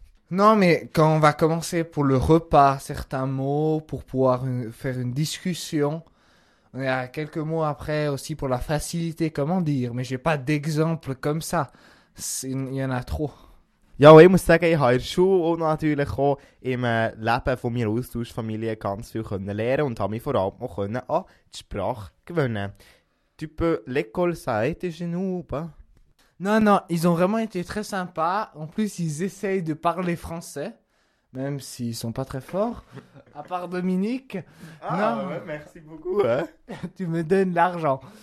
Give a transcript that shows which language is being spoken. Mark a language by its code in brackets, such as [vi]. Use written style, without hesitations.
[fr] Non, mais quand on va commencer pour le repas, certains mots, pour pouvoir faire une discussion, il y a quelques mots après aussi pour la facilité, comment dire, mais j'ai pas d'exemple comme ça, il y en a trop. [de] Ja, und ich muss sagen, ich habe in der Schule und natürlich auch im Leben von meiner Austauschfamilie ganz viel können lernen und habe mich vor allem auch können an die Sprache gewöhnen. [fr] Tu peux l'école ça a été genoux ou pas? Non, ils ont vraiment été très sympas. En plus, ils essayent de parler français, même s'ils sont pas très forts. À part Dominique. Ah non, ouais, merci beaucoup. Hein? Tu me donnes l'argent.